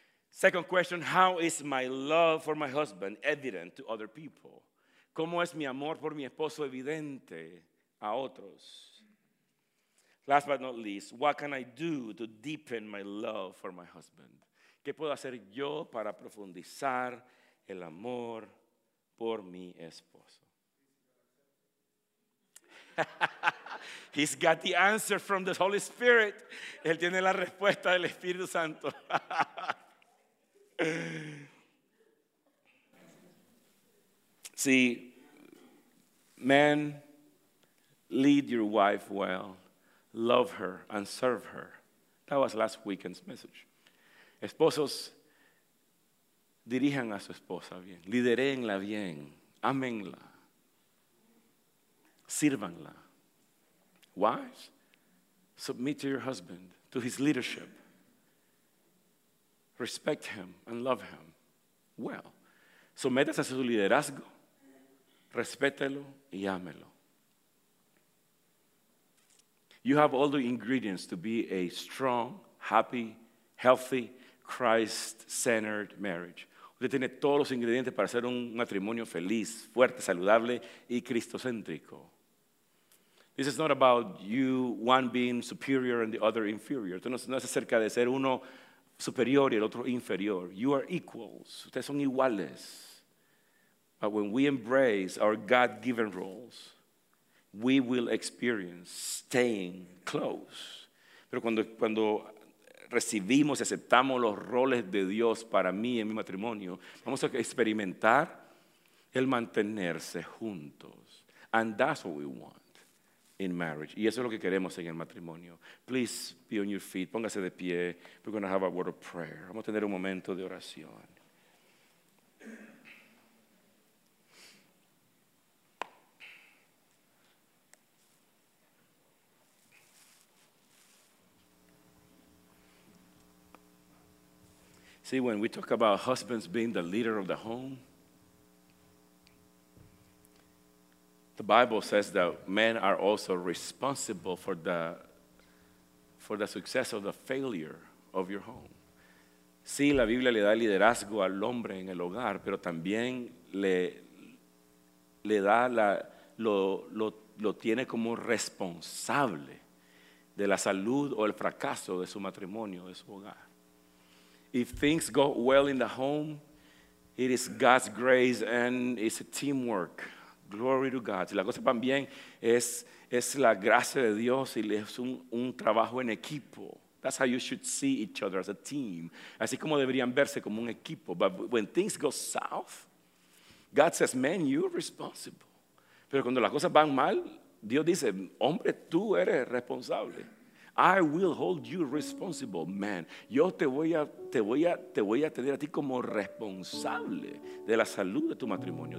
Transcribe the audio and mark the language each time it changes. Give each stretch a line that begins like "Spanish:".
English: Second question, how is my love for my husband evident to other people?
Spanish: ¿Cómo es mi amor por mi esposo evidente a otros?
English: Last but not least, what can I do to deepen my love for my husband?
Spanish: ¿Qué puedo hacer yo para profundizar el amor por mi esposo?
English: He's got the answer from the Holy Spirit.
Spanish: Él tiene la respuesta del Espíritu Santo.
English: See, men, lead your wife well. Love her and serve her. That was last weekend's message.
Spanish: Esposos, dirijan a su esposa bien. Lidereenla bien. Amenla. Sírvanla.
English: Wives, submit to your husband, to his leadership. Respect him and love him well.
Spanish: Sométase a su liderazgo. Respételo y ámelo.
English: You have all the ingredients to be a strong, happy, healthy, Christ-centered marriage.
Spanish: Usted tiene todos los ingredientes para hacer un matrimonio feliz, fuerte, saludable y cristocéntrico.
English: This is not about you, one being superior and the other inferior.
Spanish: Esto no es acerca de ser uno superior y el otro inferior.
English: You are equals.
Spanish: Ustedes son iguales.
English: But when we embrace our God-given roles, we will experience staying close.
Spanish: Pero cuando recibimos y aceptamos los roles de Dios para mí en mi matrimonio, vamos a experimentar el mantenerse juntos.
English: And that's what we want in marriage.
Spanish: Y eso es lo que queremos en el matrimonio.
English: Please be on your feet.
Spanish: Póngase de pie.
English: We're going to have a word of prayer.
Spanish: Vamos a tener un momento de oración.
English: See, when we talk about husbands being the leader of the home, the Bible says that men are also responsible for the success or the failure of your home.
Spanish: Sí, la Biblia le da liderazgo al hombre en el hogar, pero también le da lo tiene como responsable de la salud o el fracaso de su matrimonio, de su hogar.
English: If things go well in the home, it is God's grace and it's a teamwork. Glory to God.
Spanish: Si las cosas van bien, es la gracia de Dios y es un trabajo en equipo.
English: That's how you should see each other as a team.
Spanish: Así como deberían verse como un equipo.
English: But when things go south, God says, man, you're responsible.
Spanish: Pero cuando las cosas van mal, Dios dice, hombre, tú eres responsable.
English: I will hold you responsible, man.
Spanish: Yo te voy a tener a ti como responsable de la salud de tu matrimonio.